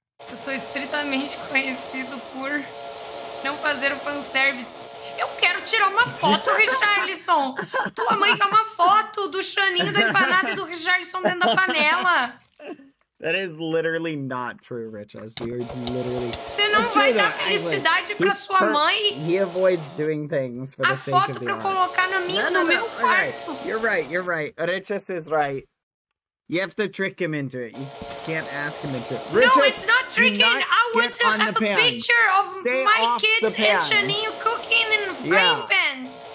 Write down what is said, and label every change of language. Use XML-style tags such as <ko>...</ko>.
<pt>Eu sou estritamente conhecido por não fazer o fanservice. Eu quero tirar uma foto, Richarlison! Tua mãe quer uma foto do Xaninho, da empanada e do Richarlison dentro da panela!</pt> <en>That is literally not true, Riches. You're literally.</en> <pt>Você não vai dar felicidade pra sua mãe?</pt> <en>He avoids doing things for the sake of the art.</en> <pt>A foto pra eu colocar no meu quarto.</pt> <en>You're right. Riches is right. You have to trick him into it. You can't ask him into it. Riches, no, it's not tricking. I want to have a picture of my kids and Chaninho cooking in frying pan.</en>